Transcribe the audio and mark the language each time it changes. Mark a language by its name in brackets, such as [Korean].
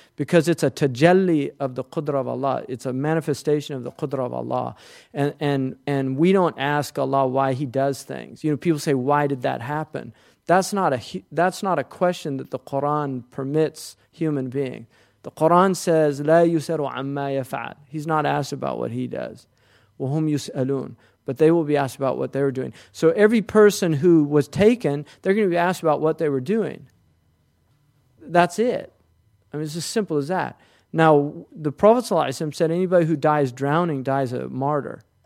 [English] Because it's a tajalli of the qudra of Allah. It's a manifestation of the qudra of Allah. And we don't ask Allah why he does things. You know, people say, why did that happen? That's not a question that the Qur'an permits human being. The Qur'an says, [Arabic] لا يسألوا عما يفعل. [English] He's not asked about what he does. [Arabic] وَهُمْ يُسْأَلُونَ. [English] But they will be asked about what they were doing. So every person who was taken, they're going to be asked about what they were doing. That's it. I mean, it's as simple as that. Now, the Prophet ﷺ said anybody who dies drowning dies a martyr.